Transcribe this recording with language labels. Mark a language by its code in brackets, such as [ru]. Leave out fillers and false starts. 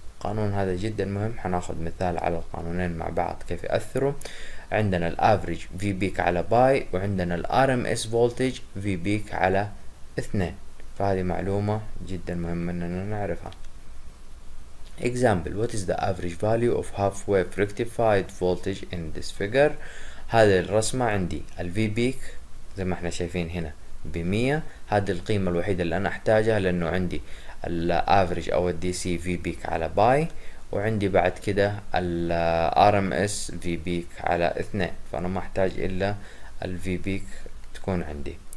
[ar] قانون هذا جدا مهم، حناخذ مثال على القانونين مع بعض كيف يأثروا. عندنا الافريج في بيك على باي، وعندنا الار ام اس فولتج في بيك على 2، فهذه معلومة جدا مهمة اننا نعرفها. [en] Example: What is the average value of half-wave rectified voltage in this figure? [ar] هذه الرسمة عندي ال V peak زي ما احنا شايفين هنا ب 100، هذه القيمة الوحيدة اللي أنا أحتاجها لأنه عندي ال average أو ال DC V peak على باي، وعندي بعد كده ال RMS V peak على 2، فأنا ما أحتاج إلا ال V peak تكون عندي.